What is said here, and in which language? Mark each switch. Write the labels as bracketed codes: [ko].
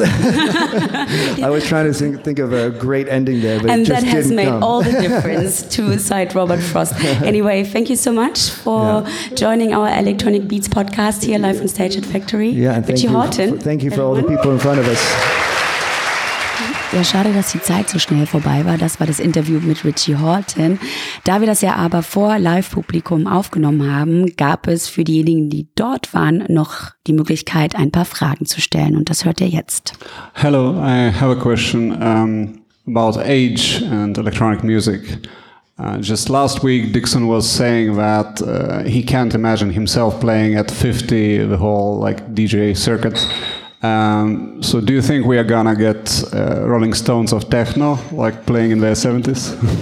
[en] I was trying to think of a great ending there. But and it just that has didn't made come. All the difference to cite Robert Frost. Anyway, thank you so much for joining our Electronic Beats podcast here live on stage at Factory. Yeah, and thank you, Horton. Thank you for all the people in front of us. [de] Ja, schade, dass die Zeit so schnell vorbei war. Das war das Interview mit Richie Horton. Da wir das ja aber vor Live-Publikum aufgenommen haben, gab es für diejenigen, die dort waren, noch die Möglichkeit, ein paar Fragen zu stellen. Und das hört ihr jetzt. [en] Hello, I have a question about age and electronic music. Just last week, Dixon was saying that he can't imagine himself playing at 50 the whole like DJ circuit. So do you think we are gonna get Rolling Stones of techno, like playing in their 70s?